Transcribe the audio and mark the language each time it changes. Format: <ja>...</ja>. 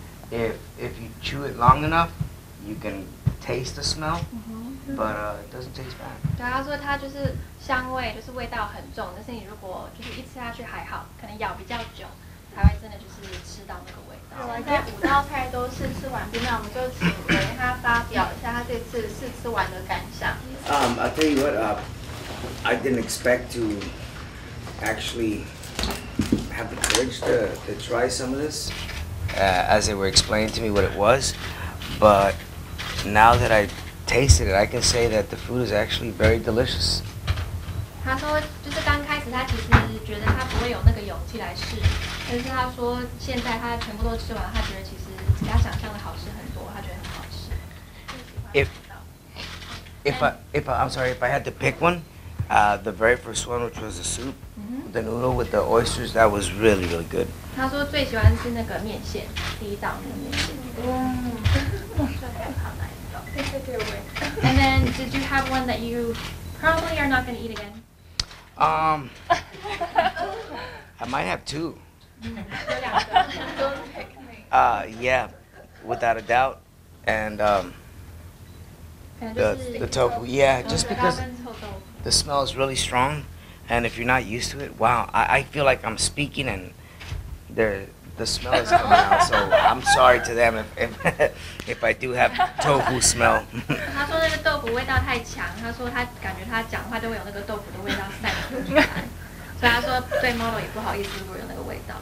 <en>If you chew it long enough, you can taste the smell, but it doesn't taste bad.</en> <zh>对，他说他就是香味，就是味道很重，但是你如果就是一吃下去还好，可能咬比较久，才会真的就是吃到那个味。在五道菜都试吃完毕，那我们就请雷他发表一下他这次试吃完的感想。</zh> <en>I'll tell you what, I didn't expect to actually have the courage to try some of this, as they were explaining to me what it was. But now that I tasted it, I can say that the food is actually very delicious.</en> <zh>他说，就是刚开始他其实觉得他不会有那个勇气来试。但是他说现在他全部都吃完，他觉得其实比他想象的好吃很多，他觉得很好吃。</zh> <en>If I had to pick one, the very first one, which was the soup, the noodle with the oysters, that was really, really good.</en> <zh>他说最喜欢吃那个面线，第一道那个面线。</zh> <en>And then, did you have one that you probably are not going to eat again? I might have two. Don't pick me. Yeah, without a doubt. And, the tofu. Yeah, just because the smell is really strong. And if you're not used to it, wow, I feel like I'm speaking and the smell is coming out, so I'm sorry to them if I do have tofu smell.</en> <zh>他说那个豆腐味道太强，他说他感觉他讲话都会有那个豆腐的味道散出来，所以他说对 model 也不好意思如果有那个味道。</zh>